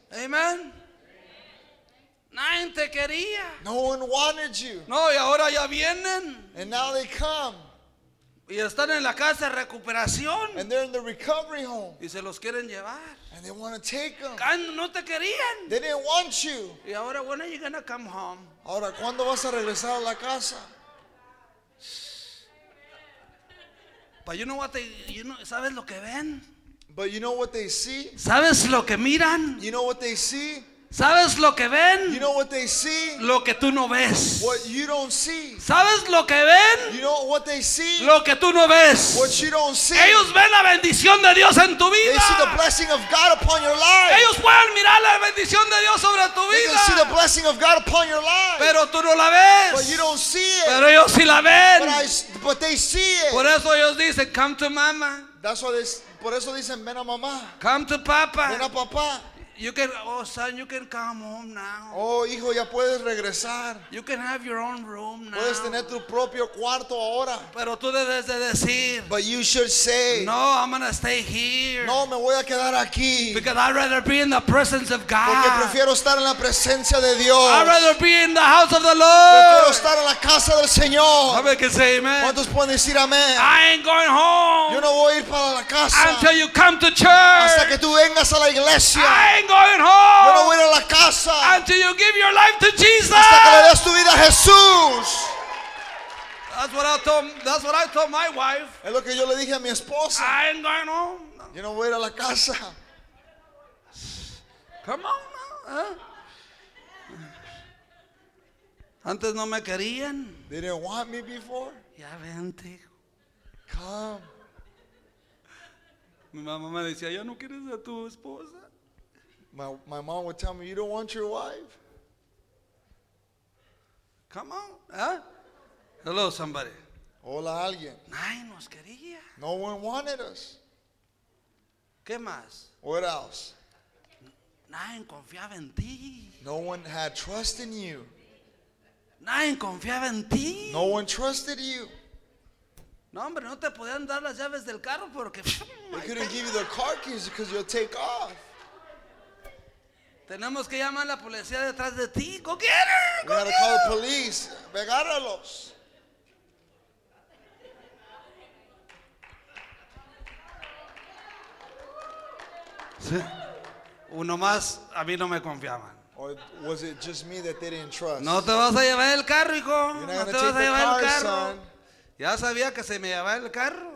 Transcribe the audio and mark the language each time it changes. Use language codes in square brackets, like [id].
[es] Amen. Nadie te quería. [en] No one wanted you. [es] No, y ahora ya vienen. [en] And now they come. [es] Y están en la casa de recuperación. [en] And they're in the recovery home. [es] Y se los quieren llevar. [en] And they want to take them. [es] No te querían. [en] They didn't want you. [es] Y ahora, [en] when are you gonna come home? [es] Ahora, ¿cuándo vas a regresar a la casa? [en] But you know what they, you know, [es] ¿sabes lo que ven? [en] But you know what they see? [es] ¿Sabes lo que miran? [en] You know what they see? [es] ¿Sabes lo que ven? [en] You know what they see? [es] Lo que tú no ves. [en] What you don't see. [es] ¿Sabes lo que ven? [en] You know what they see? [es] Lo que tú no ves. [en] What you don't see. [es] Ellos ven la bendición de Dios en tu vida. [en] They see the blessing of God upon your life. [es] Ellos pueden mirar la bendición de Dios sobre tu vida. [en] They can see the blessing of God upon your life. [es] Pero tú no la ves. [en] But you don't see it. [es] Pero ellos sí la ven. [en] But they see it. [es] Por eso ellos dicen, [en] come to mama. That's why they, [es] por eso dicen, ven a mamá. [en] Come to papa. [es] Ven a papá. [en] You can, oh son, you can come home now. [es] Oh hijo, ya puedes regresar. [en] You can have your own room now. [es] Puedes tener tu propio cuarto ahora. Pero tú debes de decir. [en] But you should say. No, I'm gonna stay here. [es] No, me voy a quedar aquí. [en] Because I'd rather be in the presence of God. [es] Porque prefiero estar en la presencia de Dios. [en] I'd rather be in the house of the Lord. [es] Prefiero estar en la casa del Señor. A ver qué [en] say, [es] amen. ¿Cuántos pueden decir amén? [en] I ain't going home. [es] Yo no voy a ir para la casa. [en] Until you come to church. [es] Hasta que tú vengas a la iglesia. [en] Going home. [es] Yo no voy a la casa. [en] Until you give your life to Jesus. [es] Hasta que le des tu vida a Jesús. [en] That's what I told. That's what I told my wife. [es] Es lo que yo le dije a mi esposa. [en] I ain't going home. [es] Yo no voy a la casa. [en] Come on now. [es] Antes no me querían. [en] They didn't want me before. [es] Ya vente. [en] Come. [es] Mi mamá me decía, ¿ya no quieres a tu esposa? [en] My mom would tell me, you don't want your wife? Come on, huh? Hello, somebody. [es] Hola, alguien. Nadie nos quería. [en] No one wanted us. [es] ¿Qué más? [en] What else? [es] Nadie confiaba en ti. [en] No one had trust in you. [es] Nadie confiaba en ti. [en] No one trusted you. [es] No, hombre, no te podían dar las llaves del carro porque... [en] They couldn't give you the car keys because you'll take off. [es] Tenemos que llamar a la policía detrás de ti. ¡Cogiera! [en] We gotta call the police. ¡Vegáralos! [es] Sí. Uno más, a mí no me confiaban. [en] Or was it just me that they didn't trust? [es] No te vas a llevar el carro, hijo. [en] You're not gonna take the car, son. [es] Ya sabía que se me llevaba el carro.